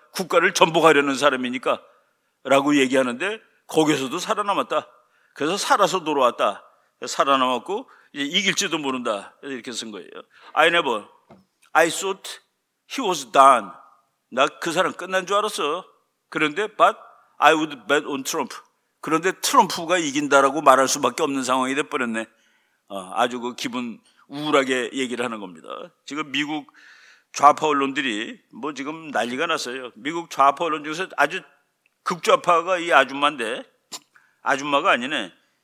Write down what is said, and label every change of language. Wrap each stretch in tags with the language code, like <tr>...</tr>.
<ko>국가를 전복하려는 사람이니까. 라고 얘기하는데 거기서도 살아남았다. 그래서 살아서 돌아왔다. 살아남았고 이제 이길지도 모른다. 이렇게 쓴 거예요.</ko> <en>I thought he was done.</en> <ko>나 그 사람 끝난 줄 알았어. 그런데</ko> <en>but I would bet on Trump.</en> <ko>그런데 트럼프가 이긴다라고 말할 수밖에 없는 상황이 돼버렸네. 아주 그 기분 우울하게 얘기를 하는 겁니다. 지금 미국 좌파 언론들이 뭐 지금 난리가 났어요. 미국 좌파 언론 중에서 아주 극좌파가 이 아줌마인데 아줌마가 아니네.</ko>